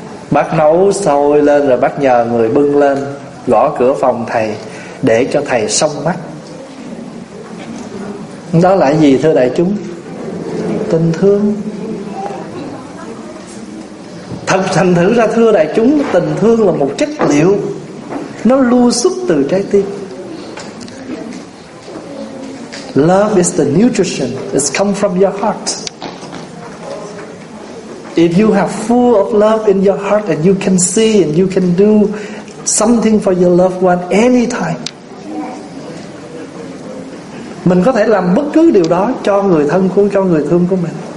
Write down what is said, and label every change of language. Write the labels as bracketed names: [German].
[Vietnamese] Bác nấu sôi lên rồi bác nhờ người bưng lên, gõ cửa phòng thầy để cho thầy xông mắt. Đó là gì thưa đại chúng? Tình thương. Thành thử ra thưa đại chúng, tình thương là một chất liệu, nó lưu xuất từ trái tim. [English] Love is the nutrition, it's come from your heart. If you have full of love in your heart and you can see and you can do something for your loved one anytime, mình có thể làm bất cứ điều đó cho người thân của, cho người thương của mình.